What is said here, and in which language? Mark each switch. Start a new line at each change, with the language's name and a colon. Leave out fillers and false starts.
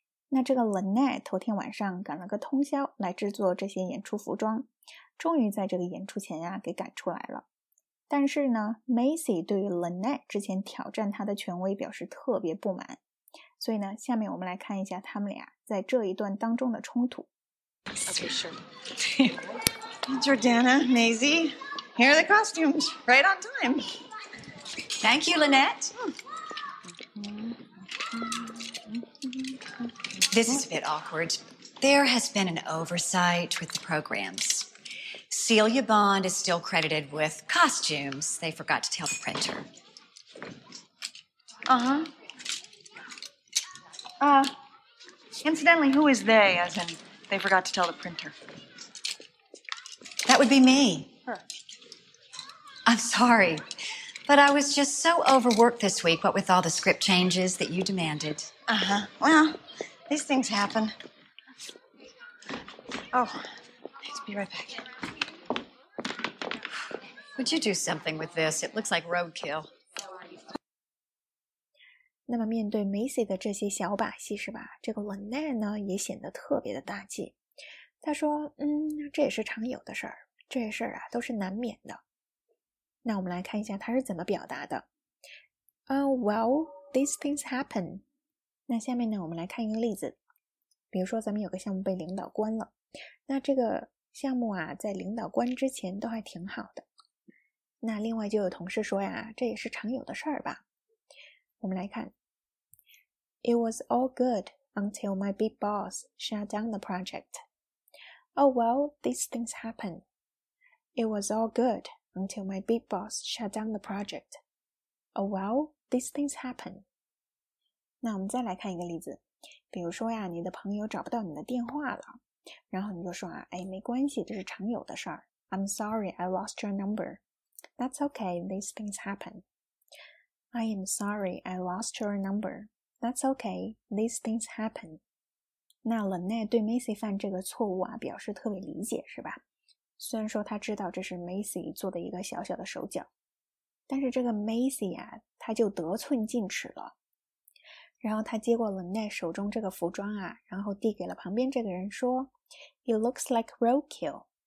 Chinese: 那这个 Lynette 头天晚上赶了个通宵来制作这些演出服装，终于在这个演出前呀、给赶出来了。但是呢， Macy 对于 Lynette 之前挑战她的权威表示特别不满，所以呢，下面我们来看一下他们俩在这一段当中的冲突。
English: Okay, sure. Jordana, Macy. Here are the costumes, right on time. Thank you, Lynette. This is a bit awkward. There has been an oversight with the programs. Celia Bond is still credited with costumes. They forgot to tell the printer. Incidentally, who is they, as in they forgot to tell the printer? That would be me. I'm sorry, but I was just so overworked this week, what with all the script changes that you demanded. Well, these things happen. Oh, let's be right back. Would you do something with this? It looks like roadkill.
Chinese: 那么面对 Macy 的这些小把戏是吧，这个 Lynette 呢也显得特别的大气。她说，这也是常有的事儿，这些事儿啊都是难免的。那我们来看一下他是怎么表达的。
English: Well, these things happen.
Chinese: 那下面呢，我们来看一个例子。比如说咱们有个项目被领导关了，那这个项目啊，在领导关之前都还挺好的。那另外就有同事说呀，这也是常有的事儿吧。我们来看。
English: It was all good until my big boss shut down the project. Oh well, these things happen. It was all good. Until my big boss shut down the project. Oh well, these things happen.
Chinese: 那我们再来看一个例子。比如说呀，你的朋友找不到你的电话了。然后你就说啊，哎，没关系，这是常有的事儿。
English: I'm sorry, I lost your number. That's okay, these things happen. I am sorry, I lost your number. That's okay, these things happen.
Chinese: 那 Lynette 对 Macy 犯这个错误啊，表示特别理解，是吧？虽然说他知道这是 Macy 做的一个小小的手脚，但是这个 Macy 啊，他就得寸进尺了。然后他接过 Lynette 手中这个服装啊，然后递给了旁边这个人说
English: It looks like roadkill.